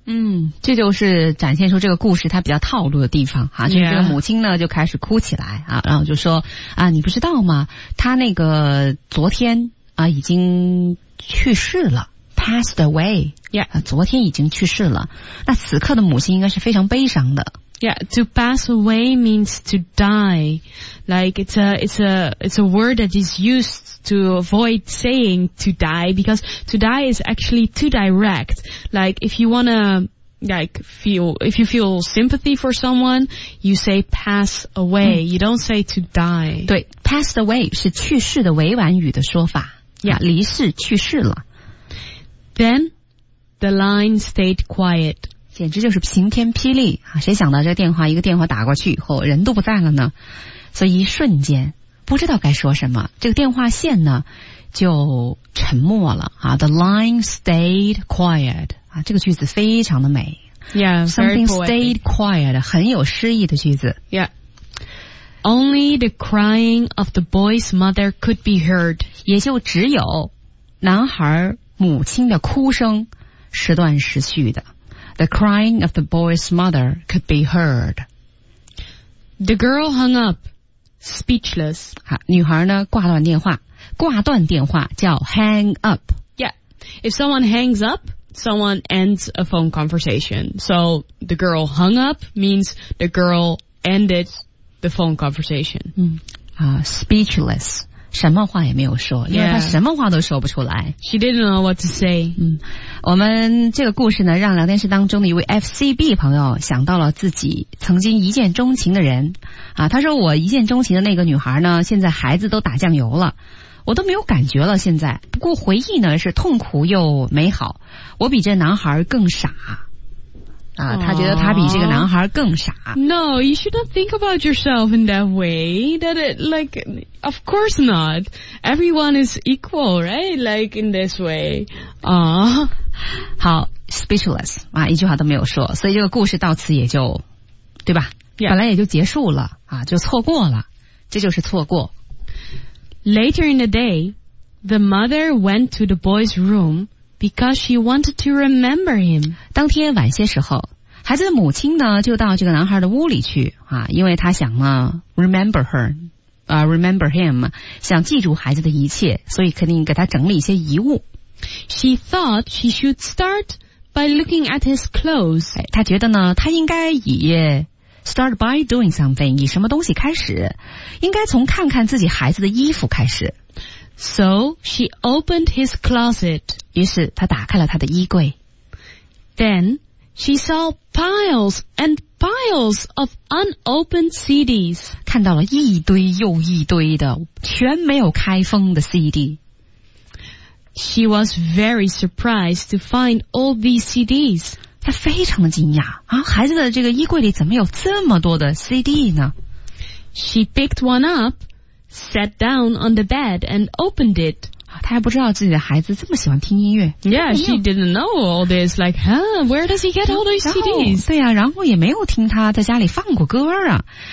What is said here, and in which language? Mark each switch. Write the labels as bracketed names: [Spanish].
[Chinese] 嗯，这就是展现出这个故事它比较套路的地方啊，就是这个母亲呢就开始哭起来啊，然后就说啊，你不知道吗？他那个昨天啊已经去世了。 [English] Passed away. Yeah. [Chinese] 昨天已经去世了。那此刻的母亲应该是非常悲伤的。 [English] Yeah, to pass away means to die. Like, it's a word that is used to avoid saying to die, because to die is actually too direct. Like, if you wanna, like, feel, if you feel sympathy for someone, you say pass away.、Mm. You don't say to die. [Chinese] 对 , [English] passed away [Chinese] 是去世的委婉语的说法。 [English] Yeah, [Chinese] 离世去世了。 [English] Then the line stayed quiet. [Chinese] 简直就是晴天霹雳啊！谁想到这个电话，一个电话打过去以后，人都不在了呢？所以一瞬间不知道该说什么，这个电话线呢就沉默了啊。 [English] The line stayed quiet. [Chinese] 啊，这个句子非常的美。 [English] Yeah, something stayed quiet. [Chinese] 很有诗意的句子。 [English] Yeah. Only the crying of the boy's mother could be heard. [Chinese] 也就只有男孩母亲的哭声时断时续的。 [English] The crying of the boy's mother could be heard. The girl hung up, speechless. [Chinese] 女孩呢挂断电话，挂断电话叫 hang up. [English] Yeah, if someone hangs up, someone ends a phone conversation. So the girl hung up means the girl ended the phone conversation. Speechless. [Chinese] 什么话也没有说，因为他什么话都说不出来。 [English] Yeah. She didn't know what to say. [Chinese] 嗯，我们这个故事呢，让聊天室当中的一位 FCB 朋友想到了自己曾经一见钟情的人。啊，他说我一见钟情的那个女孩呢，现在孩子都打酱油了，我都没有感觉了。现在，不过回忆呢是痛苦又美好。我比这男孩更傻。啊，他觉得他比这个男孩更傻。 [English] No, you should not think about yourself in that way. That it, like, of course not. Everyone is equal, right? Like, in this way. 啊、 [Chinese] 好 speechless, 啊一句话都没有说。所以这个故事到此也就对吧、 [English] yeah. [Chinese] 本来也就结束了啊，就错过了。这就是错过。 [English] Later in the day, the mother went to the boy's room,Because she wanted to remember him. [Chinese] 当天晚些时候，孩子的母亲呢就到这个男孩的屋里去啊，因为她想呢 [English] remember her, [Chinese] 啊 [English] remember him, [Chinese] 想记住孩子的一切，所以肯定给他整理一些遗物。 [English] She thought she should start by looking at his clothes. [Chinese] 哎，她觉得呢，她应该以 [English] start by doing something, [Chinese] 以什么东西开始，应该从看看自己孩子的衣服开始。 [English] So she opened his closet. [Chinese] 于是她打开了她的衣柜。 [English] Then she saw piles and piles of unopened CDs. [Chinese] 看到了一堆又一堆的全没有开封的 CD. [English] She was very surprised to find all these CDs. [Chinese] 她非常的惊讶啊，孩子的这个衣柜里怎么有这么多的 CD 呢？ [English] She picked one up. Sat down on the bed and opened it. [Chinese] 她还不知道自己的孩子这么喜欢听音乐。 [English] Yeah, she didn't know all this. Like, huh, where does he get all those CDs? [Chinese] 对啊，然后也没有听他在家里放过歌啊。